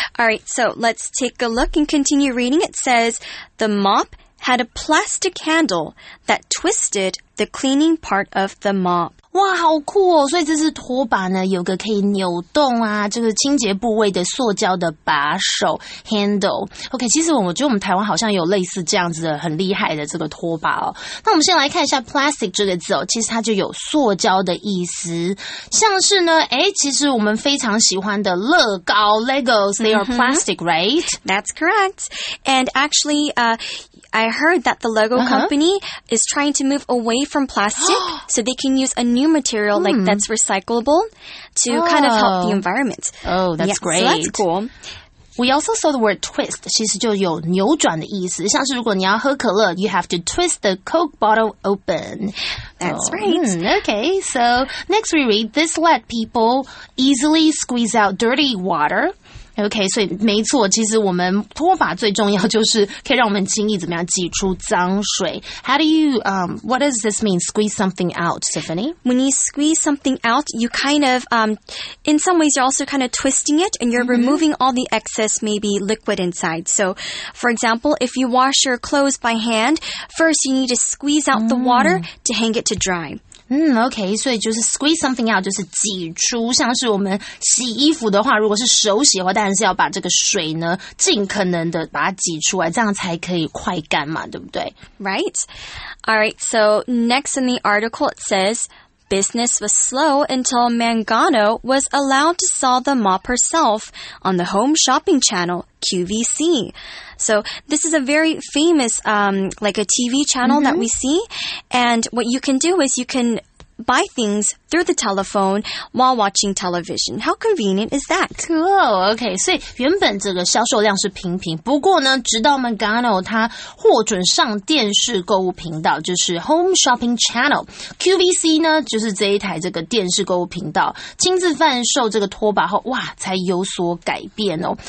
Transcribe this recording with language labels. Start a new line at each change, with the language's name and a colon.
English: All right, so let's take a look and continue reading. It says, the mop had a plastic handle that twisted the cleaning part of the mop.
Chinese: 哇，好酷哦！所以这是拖把呢，有个可以扭动啊，这个清洁部位的塑胶的把手 handle. OK, 其实我觉得我们台湾好像有类似这样子的很厉害的这个拖把哦。那我们先来看一下 plastic 这个字哦，其实它就有塑胶的意思。像是呢，诶，其实我们非常喜欢的乐高 Legos,
English: they are plastic, right? That's correct. And actually, I heard that the Lego company is trying to move away from plastic so they can use a new material like that's recyclable to kind of help the environment. Oh, that's great. So that's cool. We also saw the word twist,
Chinese: 其实就有扭转的意思。
English: 像是如果你要喝可乐 you have to twist the Coke bottle open. That's right. Okay, so next we read, this let people easily squeeze out dirty water.
Chinese: OK, 所以没错，其实我们拖把最重要就是可以让我们轻易怎么样挤出脏水。
English: How do you, what does this mean, squeeze something out, Tiffany? When you squeeze something out, you kind of, in some ways, you're also kind of twisting it and you're removing all the excess, maybe liquid inside. So, for example, if you wash your clothes by hand, first you need to squeeze out the water to hang it to dry.
Chinese: OK, 所以就是
English: squeeze something out,
Chinese: 就是挤出。像是我们洗衣服的话，如果是手洗的话，当然是要把这个水呢，尽可能的把它挤出来，这样才可以快干嘛，对不对？
English: Right. All right, so next in the article it says, business was slow until Mangano was allowed to sell the mop herself on the home shopping channel, QVC. So this is a very famous, like a TV channel that we see. And what you can do is you can buy things through the telephone while watching television. How convenient is that? Cool. Okay.
Chinese: 所以原本这个销售量是平平。不过呢，直到 Mangano 他获准上电视购物频道，就是 Home Shopping Channel QVC 呢，就是这一台这个电视购物频道亲自贩售这个拖把后，哇，才有所改变哦。